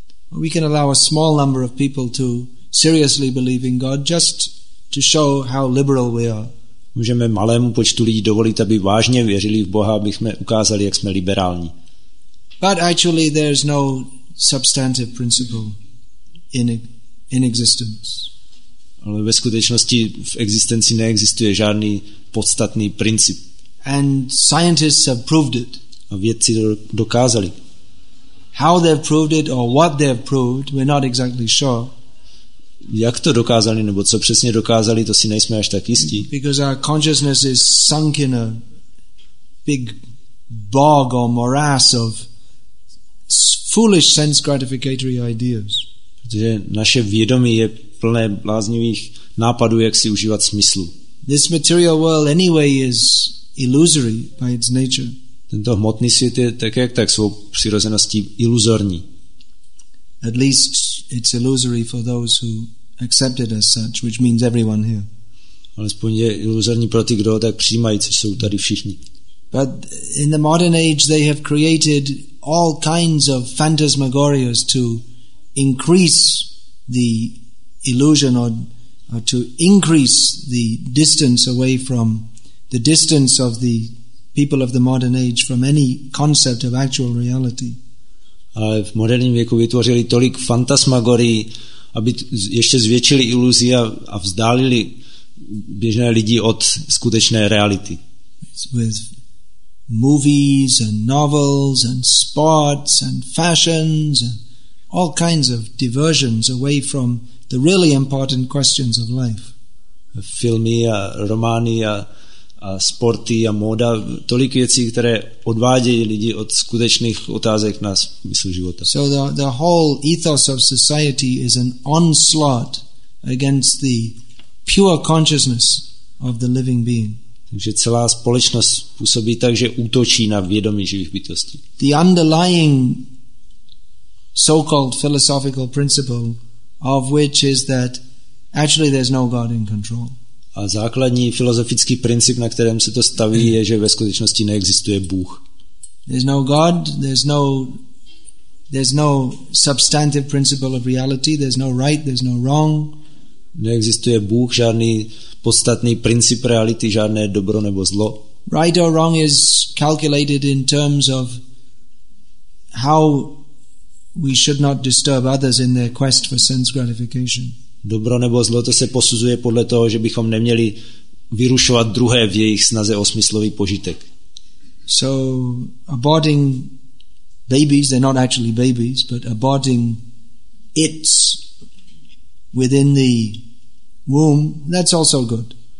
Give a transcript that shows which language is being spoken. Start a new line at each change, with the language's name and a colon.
English: We can allow a small number of people to seriously believe in God just to show how liberal we are.
Czech: Můžeme malému počtu lidí dovolit, aby vážně věřili v Boha, abychom ukázali, jak jsme liberální.
English: But actually there is no substantive principle in existence.
Czech: Ale ve skutečnosti v existenci neexistuje žádný podstatný princip.
English: And scientists have proved it.
Czech: A vědci to dokázali.
English: How they've proved it or what they've proved, we're not exactly sure.
Czech: Jak to dokázali nebo co přesně dokázali, to si nejsme až tak jistí.
English: Because our consciousness is sunk in a big bog or morass of foolish sense gratificatory ideas.
Czech: Protože naše vědomí je plné bláznivých nápadů, jak si užívat smyslu.
English: This material world anyway is illusory by its nature.
Czech: Tento hmotný svět je také jak tak svou přirozeností iluzorní.
English: At least it's illusory for those who accept it as such, which means everyone here.
Czech: Alespoň je iluzorní pro ty, kdo ho tak přijímají, co jsou tady všichni.
English: But in the modern age they have created all kinds of phantasmagorias to increase the illusion or to increase the distance away from the distance of the people of the modern age from any concept of actual reality.
Czech: Ale v moderním věku vytvořili tolik fantasmagorií, aby ještě zvětšili iluzi a vzdálili běžné lidi od skutečné reality.
English: With movies and novels and sports and fashions and all kinds of diversions away from the really important questions of life.
Czech: Filmy a romány a sporty a móda, tolik věcí, které odvádějí lidi od skutečných otázek na smysl života.
English: So the whole ethos of society is an onslaught against the pure consciousness of the living being.
Czech: Takže celá společnost působí tak, že útočí na vědomí živých bytostí.
English: The underlying so-called philosophical principle of which is that actually there's no God in control.
Czech: A základní filozofický princip, na kterém se to staví, je, že ve skutečnosti neexistuje Bůh.
English: There's no God, there's no substantive principle of reality, there's no right, there's no wrong.
Czech: Neexistuje Bůh, žádný podstatný princip reality, žádné dobro nebo zlo.
English: Right or wrong is calculated in terms of how we should not disturb others in their quest for sense gratification.
Czech: Dobro nebo zlo, to se posuzuje podle toho, že bychom neměli vyrušovat druhé v jejich snaze o smyslový požitek.
English: So aborting babies, they're not actually babies, but aborting its within the womb, that's also good.